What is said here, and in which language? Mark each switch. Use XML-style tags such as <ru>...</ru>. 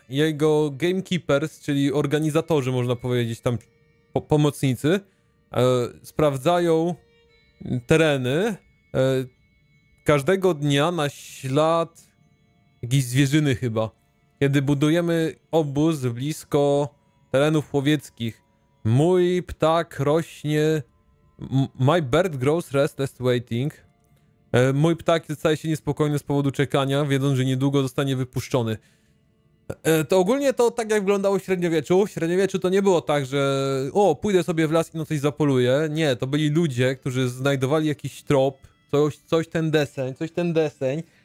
<pl>Jego gamekeepers, czyli organizatorzy, można powiedzieć, tam pomocnicy, sprawdzają tereny każdego dnia na ślad jakiejś zwierzyny chyba. Kiedy budujemy obóz blisko terenów łowieckich, mój ptak rośnie...</pl> <en>My bird grows restless waiting.</en> <pl>Mój ptak staje się niespokojny z powodu czekania, wiedząc, że niedługo zostanie wypuszczony. To ogólnie to tak jak wyglądało w średniowieczu. W średniowieczu to nie było tak, że o, pójdę sobie w las i no coś zapoluję. Nie, to byli ludzie, którzy znajdowali jakiś trop, coś ten deseń.</pl>